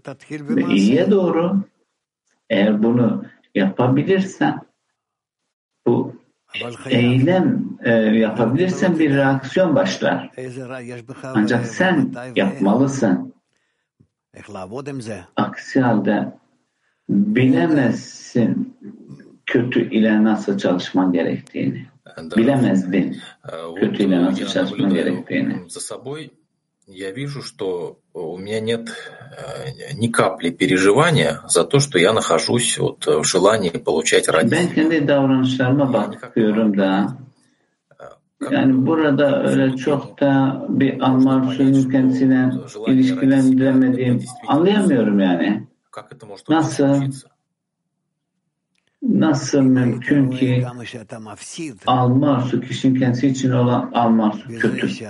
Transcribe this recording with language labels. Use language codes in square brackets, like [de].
[tr] Ve iyiye doğru eğer bunu yapabilirsen bu eylem yapabilirsen bir reaksiyon başlar. Ancak sen yapmalısın. Aksi halde bilemezsin kötü ile nasıl çalışman gerektiğini. Bilemezdin kötü ile nasıl çalışman gerektiğini. [ru] Я вижу, что у меня нет ни капли переживания за то, что я нахожусь вот в желании получать ради. [tr] Ben kendi davranışlarıma bakıyorum da. Yani burada öyle çok da bir anlamsızın kendisiyle ilişkilendiremediğim anlayamıyorum yani. Nasıl mümkün ki almarsu kişinin kendisi için olan almarsu kötü.